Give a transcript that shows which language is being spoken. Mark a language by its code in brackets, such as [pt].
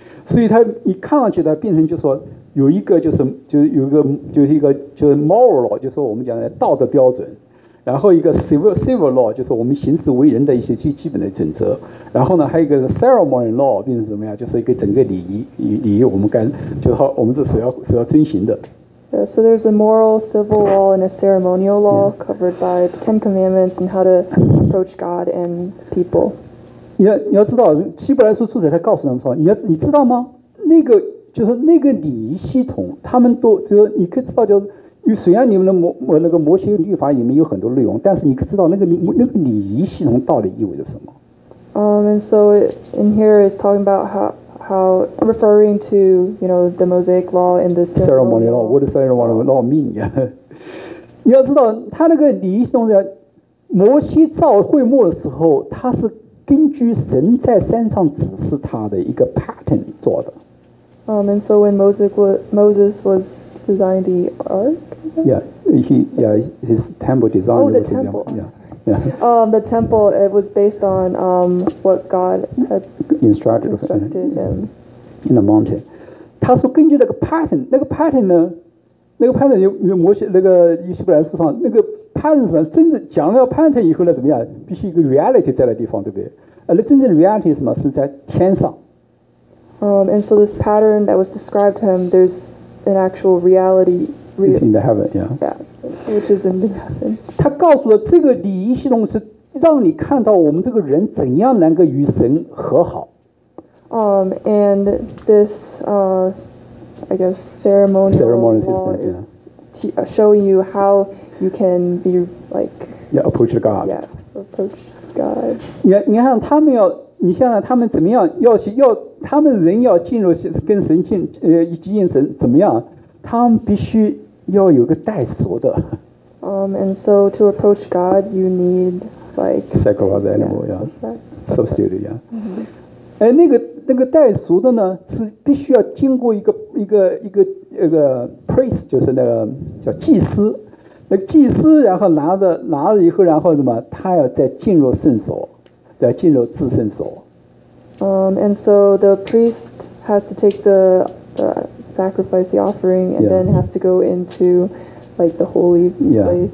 [zh] 所以他一看上去，他变成就说有一个就是 moral law， 就是我们讲的道德标准。然后一个 civil law， 就是我们行事为人的一些最基本的准则。然后呢，还有一个是 ceremony law， 变成什么呀？就是一个整个礼仪我们该就好，我们是所要遵循的。 [en] Yeah, so there's a moral, civil law, and a ceremonial law covered by the Ten Commandments and how to approach God and people. [zh] 你要知道，希伯来书作者他告诉他们说，你知道吗？那个就是那个礼仪系统，他们都就是你可以知道就是。虽然你们的那个摩西律法里面有很多内容，但是你可知道那个礼仪系统到底意味着什么？ [en] And so in here is talking about how referring to you know the Mosaic law and the ceremony law. What does ceremony law mean? [zh] 你要知道，他那个礼仪系统在摩西造会幕的时候，他是根据神在山上指示他的一个 pattern 做的。 [en] And so when Moses was designing the ark, his temple design. Oh, the temple. The temple. It was based on what God had instructed him in the mountain. [zh] 他说根据那个 pattern， 那个 pattern 呢？那个 pattern 有摩西那个以西布兰书上那个 pattern 什么？真正讲了 pattern 以后呢，怎么样？必须一个 reality 在那地方，对不对？那真正 reality 什么？是在天上。 [en] And so this pattern that was described to him, there's an actual reality. It's in the heaven, which is in the heaven. [zh] 他告诉了这个礼仪系统是让你看到我们这个人怎样能够与神和好。 [en] And this, I guess, ceremonial system, law is showing you how you can be like. Yeah, approach God. Yeah, approach God. [zh] 你看他们要。你想想他们怎么样要去要他们人要进入跟神进接近神怎么样他们必须要有个代赎的。 [en] And so to approach God, you need like sacrifice animal, substitute, yeah. Mm-hmm. [zh] 哎，那个代赎的呢是必须要经过一个 priest， 就是那个叫祭司，那个祭司然后拿了以后，然后什么他要再进入圣所。在进入至圣所。 [en] And so the priest has to take the sacrifice, the offering, and then has to go into like the holy place.